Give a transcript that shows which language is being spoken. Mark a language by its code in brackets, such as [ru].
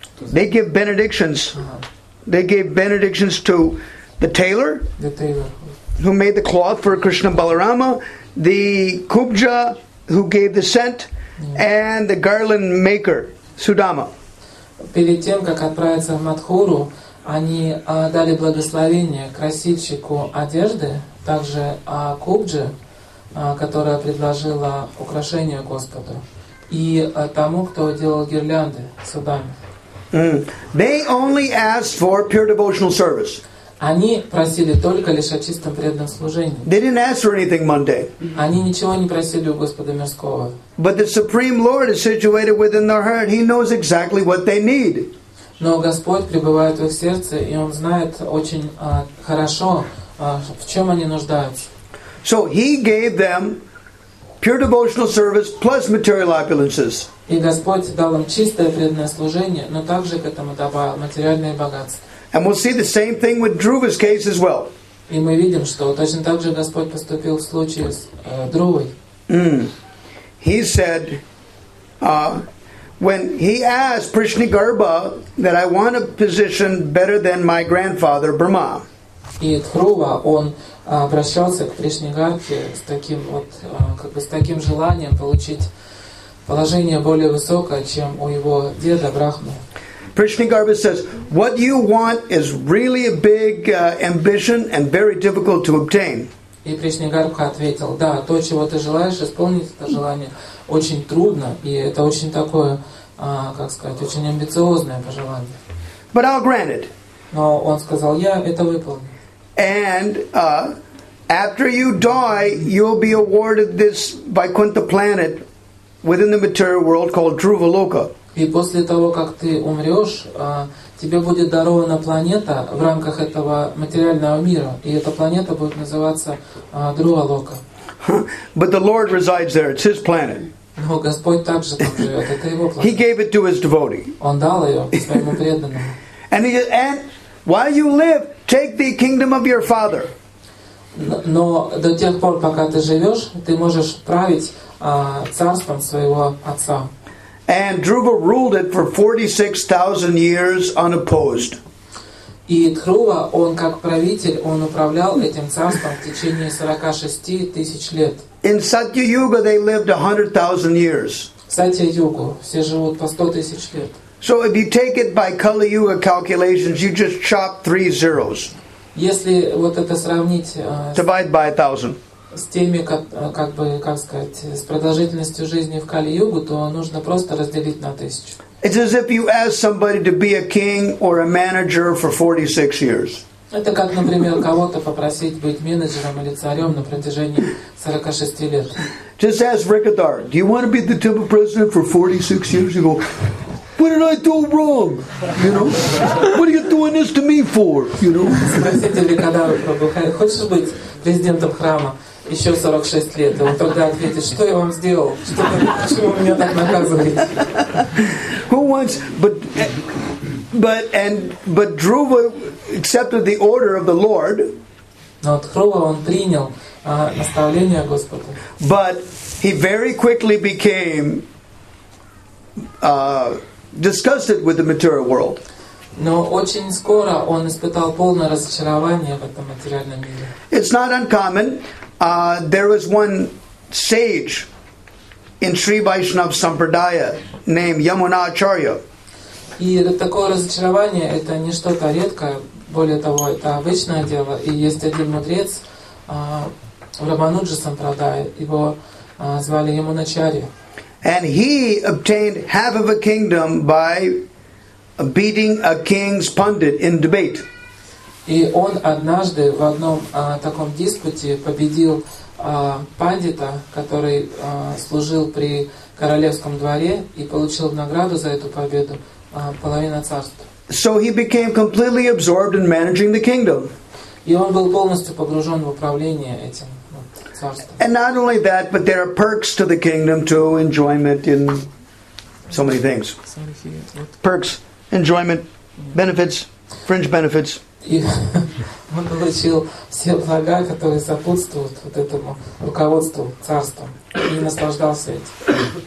[en] They give benedictions. Uh-huh. They gave benedictions to the tailor, who made the cloth for Krishna Balarama, the Kubja, who gave the scent, and the garland maker, Sudama. [ru] Перед тем, как отправиться в Мадхуру, они дали благословение красильщику одежды, также Кубджи, которая предложила украшение Господу, и тому, кто делал гирлянды, Судаме. [en] They only asked for pure devotional service. [ru] Они просили только лишь о чистом преданном служении. [en] They didn't ask for anything mundane. [ru] Они ничего не просили у Господа мирского. [en] But the Supreme Lord is situated within their heart. He knows exactly what they need. [ru] Но Господь пребывает в их сердце, и Он знает очень хорошо, в чем они нуждаются. [en] So He gave them pure devotional service plus material opulences. [ru] И Господь дал им чистое преданное служение, но также к этому добавил материальные богатства. [en] And we'll see the same thing with Dhruva's case as well. [ru] И мы видим, что точно так же Господь поступил в случае с Друвой. [en] He said, when he asked Prishnigarbha that I want a position better than my grandfather Brahma. [ru] И Друва, он обращался к Пришнигарбхе с таким вот, как бы с таким желанием получить положение более высокое, чем у его деда Брахмы. [en] Prishnigarbha says, what you want is really a big ambition and very difficult to obtain. [ru] И Пришнигарбха ответил, да, то, чего ты желаешь исполнить, это желание очень трудно, и это очень такое как сказать, очень амбициозное пожелание. [en] But I'll grant it. [ru] Но он сказал, я это выполню. [en] And after you die, you'll be awarded this Vaikuntha planet within the material world called Dhruvaloka. [ru] И после того, как ты умрешь, тебе будет дарована планета в рамках этого материального мира, и эта планета будет называться Dhruvaloka. [en] But the Lord resides there. It's His planet. [ru] Но Господь также там живет. Это Его планета. [en] He gave it to His devotee. [ru] Он дал ее своему преданному. [en] And while you live, take the kingdom of your father. [ru] Но до тех пор, пока ты живешь, ты можешь править царством своего отца. [en] And Dhruva ruled it for 46,000 years unopposed. [ru] И Дхрува, он как правитель, он управлял этим царством в течение 46 тысяч лет. [en] In Satya-yuga they lived 100,000 years. [ru] В Сатья-югу все живут по 100 тысяч лет. [en] So if you take it by Kali-yuga calculations, you just chop 3 zeros. [ru] Если вот это сравнить [en] divide by 1,000. [ru] С теми, как сказать, с продолжительностью жизни в Кали-югу, то нужно просто разделить на 1,000. [en] It's as if you ask somebody to be a king or a manager for 46 years. Это как, например, кого-то попросить быть менеджером или царем на протяжении 46 лет. Just ask Rikadar, do you want to be the temple president for 46 years? You go, what did I do wrong? You know, what are you doing this to me for? You know. [ru] Спросите Рикадару, хочешь быть президентом храма еще 46 лет? И он тогда ответит, что я вам сделал? Почему вы меня так наказываете? [en] Who wants, but Dhruva accepted the order of the Lord. [ru] Но Дхрува, он принял наставление Господа. [en] But he very quickly became disgusted with the material world. [ru] Но очень скоро он испытал полное разочарование в этом материальном мире. [en] It's not uncommon. There was one sage in Sri Vaishnava Sampradaya named Yamuna Acharya. [ru] И такое разочарование это не что-то редкое, более того, это обычное дело. И есть один мудрец в Рамануджа Сампрадая, его звали Yamuna Acharya. [en] And he obtained half of a kingdom by beating a king's pundit in debate. [ru] И он однажды в одном таком диспуте победил пандита, который служил при королевском дворе и получил в награду за эту победу половину царства. [en] So he became completely absorbed in managing the kingdom. [ru] И он был полностью погружен в управление этим царством. [en] And not only that, but there are perks to the kingdom too, enjoyment in so many things. Perks, enjoyment, benefits, fringe benefits. [ru] И он получил все блага, которые сопутствуют вот этому руководству царством, и наслаждался этим.